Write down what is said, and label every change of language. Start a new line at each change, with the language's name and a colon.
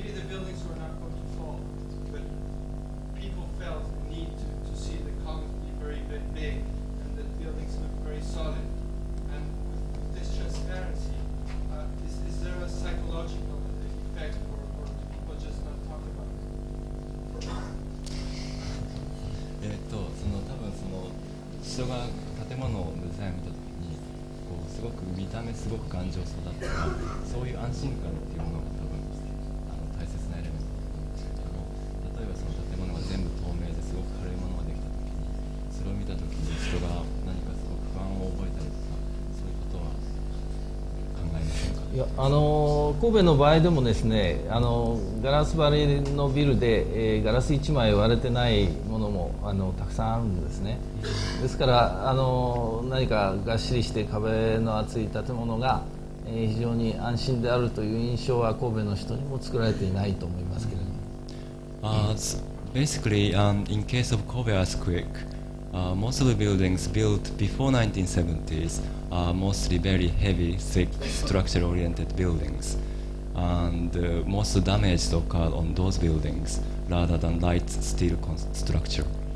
English: buildings were not going to fall, but people felt the need to see the comet be very big and the buildings look very solid. And with this transparency, is there a psychological effect or do people just not talk about it?
Japanese: その多分その人が建物をデザイン見た時にこうすごく見た目すごく頑丈そうだったらそういう安心感っていうものが多分あの大切なエレメントだと思うんですけども、例えばその建物が全部透明ですごく軽いものができた時にそれを見た時に人が何かすごく不安を覚えたりとかそういうことは考えませんか？いや、神戸の場合でもですね、ガラス張りのビルで、ガラス1枚割れてないものもたくさんあるんですね。ですから何かがっしりして壁の厚い建物が、非常に安心であるという印象は神戸の人にも作られていないと思いますけれども。
English: Basically, in case of Kobe earthquake, most of the buildings built before 1970s are mostly very heavy, thick, structure-oriented buildings. And most damage occurred on those buildings rather than light steel structure.